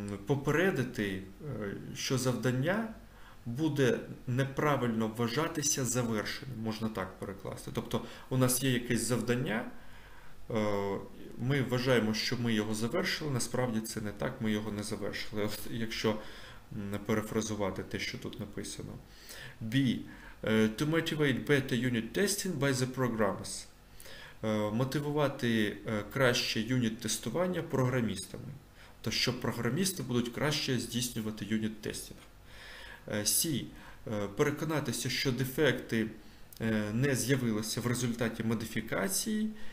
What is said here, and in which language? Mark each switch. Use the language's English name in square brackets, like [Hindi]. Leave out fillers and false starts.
[Ukrainian] Попередити, що завдання буде неправильно вважатися завершеним, можна так перекласти. Тобто у нас є якесь завдання, ми вважаємо, що ми його завершили, насправді це не так, ми його не завершили, от якщо перефразувати те, що тут написано. [English] B. To motivate better unit testing by the programmers. [Ukrainian] Мотивувати краще юніт тестування програмістами. То що програмісти будуть краще здійснювати юніт тестів. C. Переконатися, що дефекти не з'явилися в результаті модифікації.